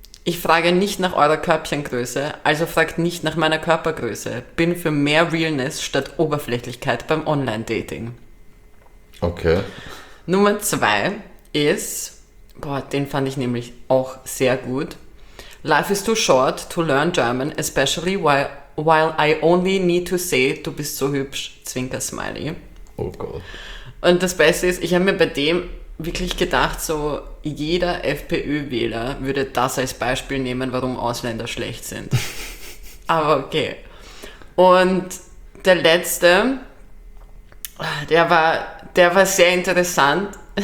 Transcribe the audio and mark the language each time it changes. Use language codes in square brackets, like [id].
[de] Ich frage nicht nach eurer Körbchengröße, also fragt nicht nach meiner Körpergröße. Bin für mehr Realness statt Oberflächlichkeit beim Online-Dating. Okay. Nummer 2 ist, boah, den fand ich nämlich auch sehr gut. [en] Life is too short to learn German, especially while I only need to say, [de] du bist so hübsch, [en] Zwinker-Smiley. [de] Oh Gott. Und das Beste ist, ich habe mir bei dem wirklich gedacht, so jeder FPÖ-Wähler würde das als Beispiel nehmen, warum Ausländer schlecht sind. Aber okay. Und der letzte, der war sehr interessant.